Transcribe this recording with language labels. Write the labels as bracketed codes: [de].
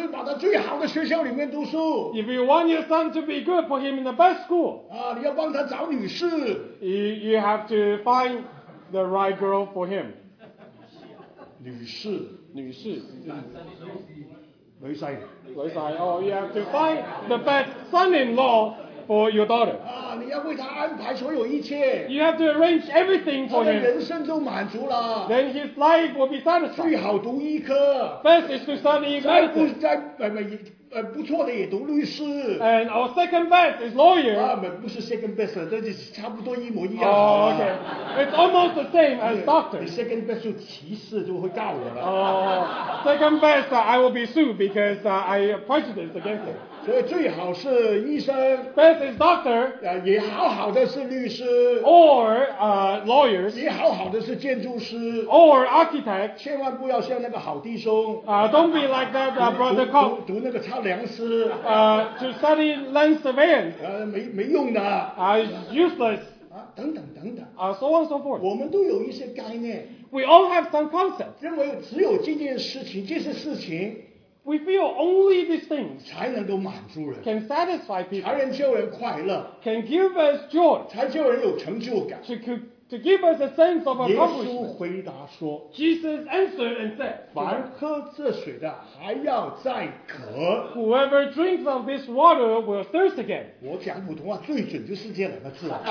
[zh] 你要对你的儿子们好,就要把他最好的学校里面读书, [en] if you want your son to be good, put him in the best school. [zh] 你要帮他找女士, [en] you have to find the right girl for him. [zh] 女士, 女士, 女士, 女士, [en] oh, you have to find the best son-in-law for your daughter. [zh] 你要为他安排所有一切, [en] you have to arrange everything for him. [zh] 他的人生都满足了, [en] then his life will be satisfied. [zh] 最好读医科, [en] first is to study medicine. [zh] 不错的也读律师, [en] and our second best is lawyer. [zh] 不是 [en] second best, [zh] 但是差不多一模一样, [en] okay. It's almost the same as doctor. [zh] 你 [en] second best [zh] 就歧视就会告我了, [en] second best, I will be sued because I prejudice against it. [zh] 所以最好是医生, [en] best is doctor, [zh] 也好好的是律师, [en] or lawyers, [zh] 也好好的是建筑师, [en] or architect. [zh] 千万不要像那个好弟兄, [en] don't be like that, brother Cobb, [zh] 读那个超良师, [en] to study land surveyors, [zh] 没用的, [en] useless, [zh] 等等等等, [en] so on so forth. [zh] 我们都有一些概念, [en] we all have some concept, [zh] 认为只有这件事情, 这些事情, [en] we feel only these things can satisfy people, can give us joy, to give us a sense of accomplishment. [zh] 耶稣回答说, [en] Jesus answered and said, [zh] 凡喝这水的还要再渴, [en] whoever drinks of this water will thirst again. [zh] 我讲普通话, 最准就是这两个字,